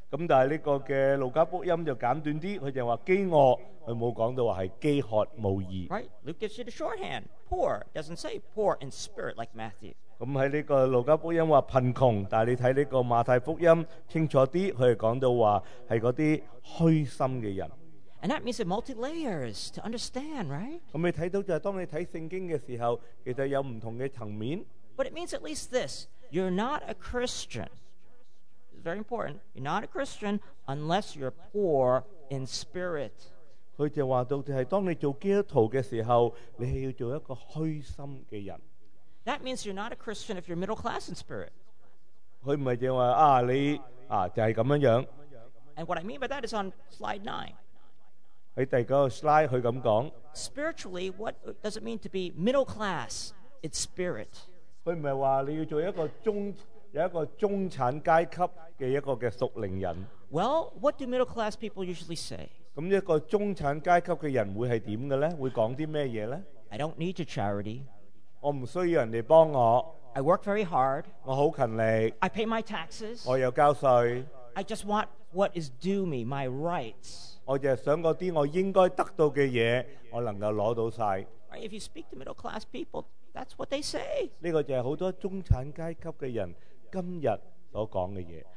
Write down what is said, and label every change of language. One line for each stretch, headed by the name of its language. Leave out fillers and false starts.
Cantonese: 咁但係呢個嘅路加福音就簡短啲，佢就話飢餓，佢冇講到話係飢渴無義。
English: Right? Luke gives you the shorthand. Poor doesn't say poor in spirit like Matthew.
Cantonese: 咁喺呢個路加福音話貧窮，但係你睇呢個馬太福音清楚啲，佢係講到話係嗰啲虛心嘅人。
English: And that means it multi-layers to understand, right?
Cantonese: 咁你睇到就係當你睇聖經嘅時候，其實有唔同嘅層面。
English: But it means at least this: you're not a Christian. It's very important. You're not a Christian unless you're poor in spirit.
Cantonese: 佢就話到就係當你做基督徒嘅時候，你係要做一個虛心嘅人。
English: That means you're not a Christian if you're middle class in spirit.
Cantonese: 佢唔係就話啊你啊就係咁樣樣。
English: And what I mean by that is on slide 9.
Cantonese: 喺第九個 slide 佢咁講。
English: Spiritually, what does it mean to be middle class in spirit?
Cantonese: 佢唔係話你要做一個中有一個中產階級嘅一個嘅屬靈人。
English: Well, what do middle class people usually say?
Cantonese: 咁一個中產階級嘅人會係點嘅咧？會講啲咩嘢咧
English: ？I don't need your charity.
Cantonese: 我唔需要人哋幫我。
English: I work very hard.
Cantonese: 我好勤力。
English: I pay my taxes.
Cantonese: 我有交税。
English: I just want what is due me, my rights.
Cantonese: 我就係想嗰啲我應該得到嘅嘢，我能夠攞到曬。
English: If you speak to middle class people, that's what they say.
Cantonese: 呢個就係好多中產階級嘅人今日所講嘅嘢。